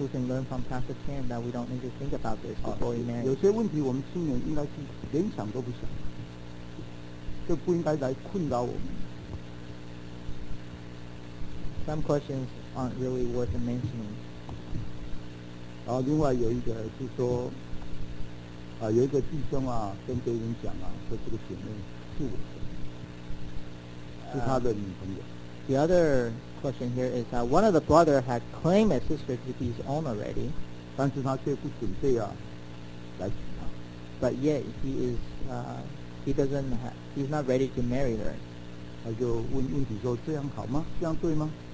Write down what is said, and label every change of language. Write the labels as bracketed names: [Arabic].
[English] we can learn from Pastor Chan that we don't need to think about this before we marry. [Chinese] 有些问题我们青年应该是连想都不想,这不应该来困扰我们。 [English] Some questions aren't really worth mentioning. [Chinese] 另外有一个是说,有一个弟兄跟别人讲,说这个姐妹, [English] The other question here is that one of the brother had claimed a sister to be his own already, but yet he's not ready to marry her. [Chinese] 他就问题说这样好吗？这样对吗？